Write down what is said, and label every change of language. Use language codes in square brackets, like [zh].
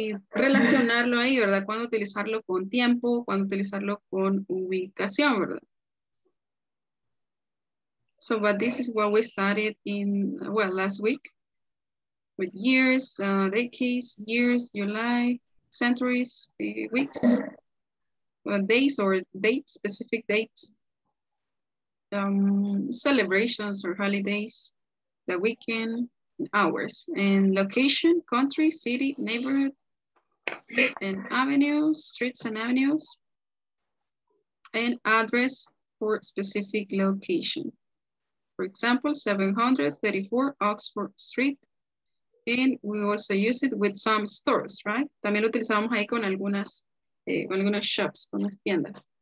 [es] Relacionarlo ahí, ¿verdad? Cuando utilizarlo con tiempo, cuando utilizarlo con ubicación, ¿verdad? [en] So, but this is what we started in, well, last week, with years, decades, years, July, centuries, weeks, days or dates, specific dates, celebrations or holidays, the weekend, hours, and location, country, city, neighborhood, street and avenues, streets and avenues, and address for specific location. For example, 734 Oxford Street. And we also use it with some stores, right? [es] También lo utilizamos ahí con algunas, algunas shops, con las tiendas.